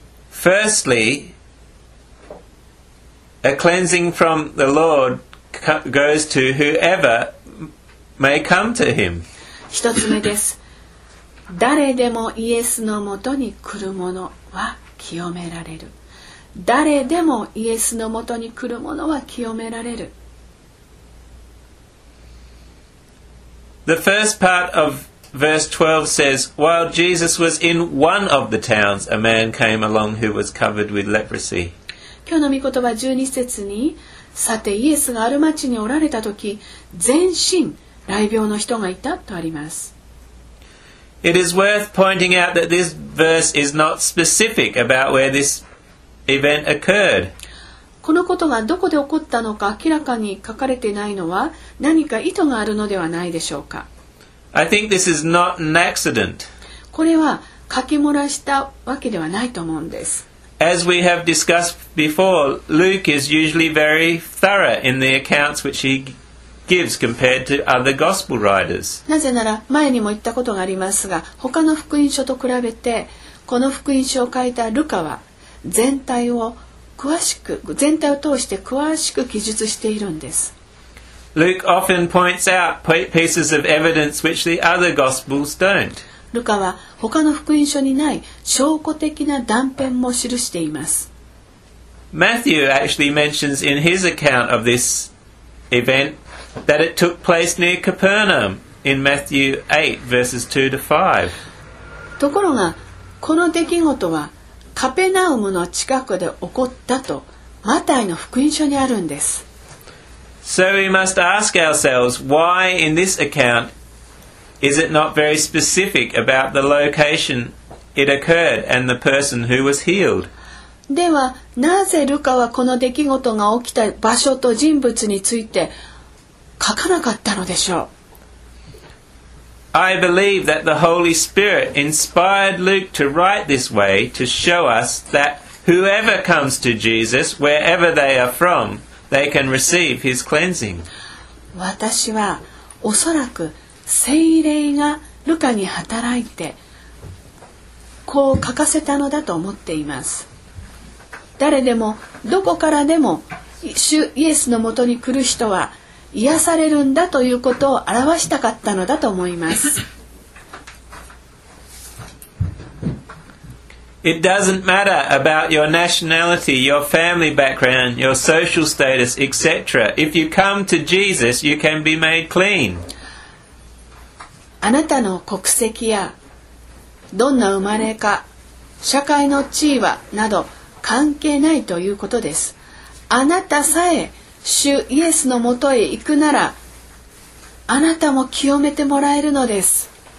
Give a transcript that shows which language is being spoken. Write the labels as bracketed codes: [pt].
[en] Firstly, a cleansing from the LordGoes to whoever may come to him. [ja] 一つ目です。誰でもイエスのもとに来る者は清められる。誰でもイエスのもとに来る者は清められる。 [en] The first part of verse 12 says, while Jesus was in one of the towns, a man came along who was covered with leprosy. [ja] 今日の御言葉12節に、さてイエスがある町におられたとき、全身雷病の人がいたとあります。 [en] It is worth pointing out that this verse is not specific about where this event occurred. [ja] このことがどこで起こったのか明らかに書かれてないのは何か意図があるのではないでしょうか。 [en] I think this is not an accident. [ja] これは書き漏らしたわけではないと思うんです。 [en] As we have discussed before, Luke is usually very thorough in the accounts which he gives compared to other gospel writers. [ja] なぜなら前にも言ったことがありますが、他の福音書と比べて、この福音書を書いたルカは全体を通して詳しく記述しているんです。 [en] Luke often points out pieces of evidence which the other gospels don't. [ja] ルカは他の福音書にない証拠的な断片も記しています。 [en] Matthew actually mentions in his account of this event that it took place near Capernaum in Matthew 8 verses 2 to 5. [ja] ところがこの出来事はカペナウムの近くで起こったとマタイの福音書にあるんです。 [en] So we must ask ourselves why in this accountIs it not very specific about the location it occurred and the person who was healed? [ja] ではなぜルカはこの出来事が起きた場所と人物について書かなかったのでしょう。 [en] I believe that the Holy Spirit inspired Luke to write this way to show us that whoever comes to Jesus, wherever they are from, they can receive his cleansing. [ja] 私はおそらく聖霊がルカに働いてこう書かせたのだと思っています。誰でもどこからでも主イエスのもとに来る人は癒されるんだということを表したかったのだと思います。 [en] It doesn't matter about your nationality, your family background, your social status, etc. If you come to Jesus, you can be made clean. [ja] あなたの国籍やどんな生まれか、社会の地位はなど関係ないということです。あなたさえ主イエスのもとへ行くなら、あなたも清めてもらえるのです。